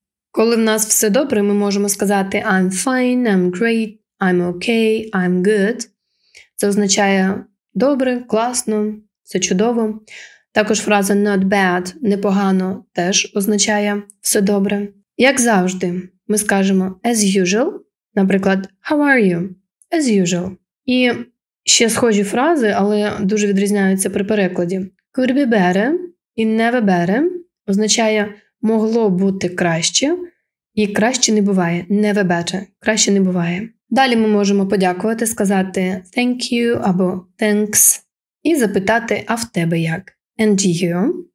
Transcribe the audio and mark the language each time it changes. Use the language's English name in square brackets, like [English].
[Ukrainian] Коли в нас все добре, ми можемо сказати [English] «I'm fine», «I'm great», «I'm okay», «I'm good». [Ukrainian] Це означає «добре», «класно», «все чудово». Також фраза [English] «not bad», [Ukrainian] «непогано» теж означає «все добре». Як завжди, ми скажемо [English] «as usual», [Ukrainian] наприклад [English] «how are you?», [Ukrainian] «as usual». І ще схожі фрази, але дуже відрізняються при перекладі. [English] «Could be better» [Ukrainian] і [English] «never better» [Ukrainian] означає «могло бути краще», і «краще не буває», «never better», «краще не буває». Далі ми можемо подякувати, сказати [English] «thank you» [Ukrainian] або «thanks» і запитати «а в тебе як?», [English] «and you?».